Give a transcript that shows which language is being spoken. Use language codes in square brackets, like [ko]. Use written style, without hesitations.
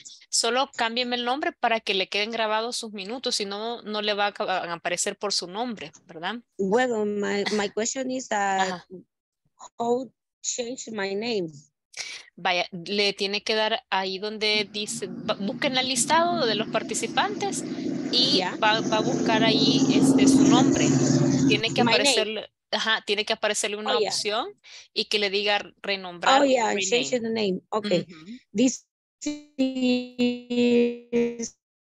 [es] Solo cámbienme el nombre para que le queden grabados sus minutos, si no, no le va a aparecer por su nombre, ¿verdad? [en] Well, my question is that, how change my name? [es] Vaya, le tiene que dar ahí donde dice, busquen el listado de los participantes y va a buscar ahí su nombre. Tiene que aparecerle una opción y que le diga renombrar. [en] Oh, yeah, change the name. Okay. Uh-huh. This is...